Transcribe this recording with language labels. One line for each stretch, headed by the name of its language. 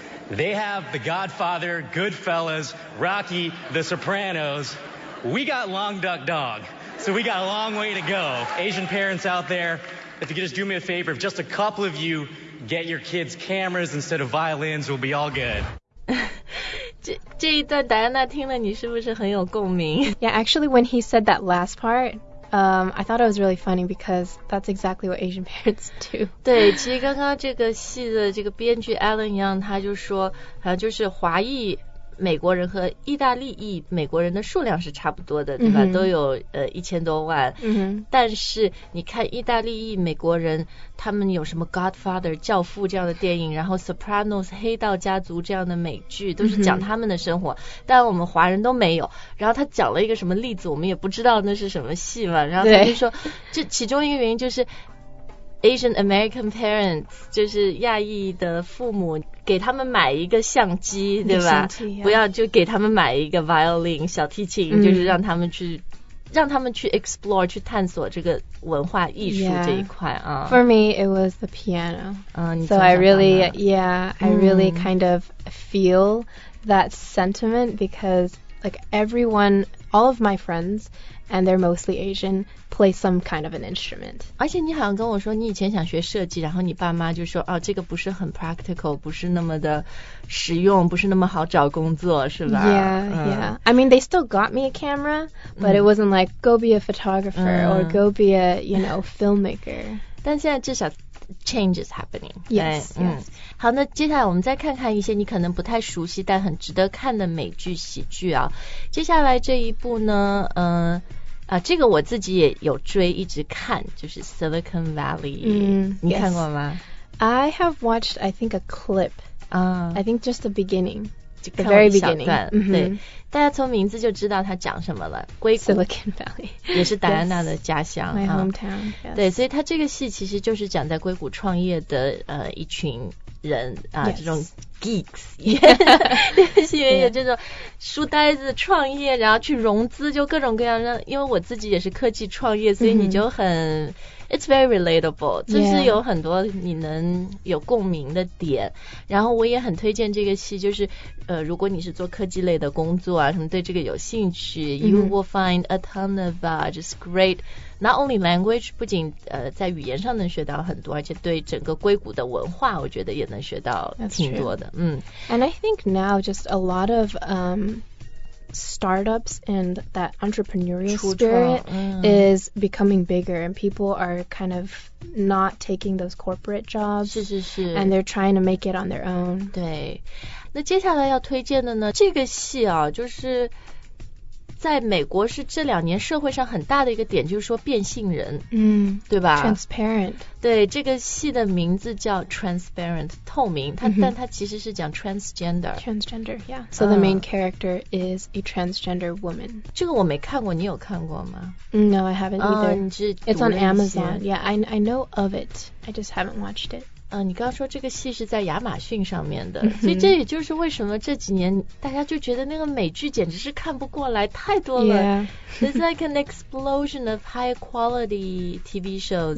English: They have The Godfather, Goodfellas, Rocky, The Sopranos. We got Long Duck Dog. So we got a long way to go. Asian parents out there, if you could just do me a favor, if just a couple of you get your kids cameras instead of violins, we'll be all good.
Chinese: 这一段戴安娜听了你是不是很有共鸣？
English: Yeah, actually, when he said that last part,I thought it was really funny because that's exactly what Asian parents do.
Chinese: 对，其实刚刚这个戏的这个编剧 Alan Young 他就说，就是华裔美国人和意大利裔美国人的数量是差不多的，对吧？ Mm-hmm. 都有1000多万。嗯、mm-hmm. 但是你看意大利裔美国人，他们有什么 Godfather 教父这样的电影，然后 Sopranos 黑道家族这样的美剧，都是讲他们的生活。Mm-hmm. 但我们华人都没有。然后他讲了一个什么例子，我们也不知道那是什么戏嘛。然后他就说，这其中一个原因就是 Asian American parents 就是亚裔的父母。给他们买一个相机，对吧？不要就给他们买一个 violin 小提琴、嗯、就是让他们去explore 去探索这个文化艺术这一块啊。
English: Yeah. For me it was the piano、 so I really yeah I really、嗯、kind of feel that sentiment because like everyone all of my friendsAnd they're mostly Asian, play some kind of an instrument.
Chinese: 而且你好像跟我说你以前想学设计，然后你爸妈就说哦，这个不是很 practical, 不是那么的实用，不是那么好找工作，是吧？
English: Yeah, yeah. I mean, they still got me a camera, but it wasn't like, go be a photographer, or go be a, you know, filmmaker. 但现在至少 change is happening. Yes, yes.
Chinese: 好，那接下来我们再看看一些你可能不太熟悉但很值得看的美剧喜剧啊。接下来这一部呢，这个我自己也有追，一直看，就是 Silicon Valley、 mm, 你看过吗？
English: I have watched I think a clip、I think just the beginning, the very beginning、mm-hmm.
Chinese: 对，大家从名字就知道它讲什么了，硅谷
English: Silicon Valley
Chinese: 也是戴安娜的家乡、
English: yes, my hometown、yes.
Chinese: 对，所以它这个戏其实就是讲在硅谷创业的一群人啊、
English: yes.
Chinese: 这种 geeks 也是因为这种书呆子创业、yeah. 然后去融资就各种各样，因为我自己也是科技创业所以你就很、mm-hmm.
English: it's very relatable、 yeah.
Chinese: 就是有很多你能有共鸣的点，然后我也很推荐这个戏，就是如果你是做科技类的工作啊什么对这个有兴趣、mm-hmm. you will find a ton of just greatNot only language, 不仅在语言上能学到很多，而且对整个硅谷的文化，我觉得也能学到挺多的。
English: And I think now just a lot of startups and that entrepreneurial spirit is becoming bigger, and people are kind of not taking those corporate jobs.
Chinese: 是是是。
English: And they're trying to make it on their own.
Chinese: 对。那接下来要推荐的呢，这个戏啊，就是在美国是这两年社会上很大的一个点，就是说变性人，嗯，对吧
English: ？Transparent，
Chinese: 对，这个戏的名字叫 Transparent， 透明。它、mm-hmm. 但它其实是讲 transgender。
English: Transgender， yeah。 So the main character is a transgender woman。
Chinese: 这个我没看过，你有看过吗
English: ？No， I haven't either。 It's on Amazon。 Yeah， I know of it， I just haven't watched it。
Chinese: 你刚刚说这个戏是在亚马逊上面的，所以这也就是为什么这几年大家就觉得那个美剧简直是看不过来，太多了。
English: Yeah. It's like an explosion of high quality TV shows.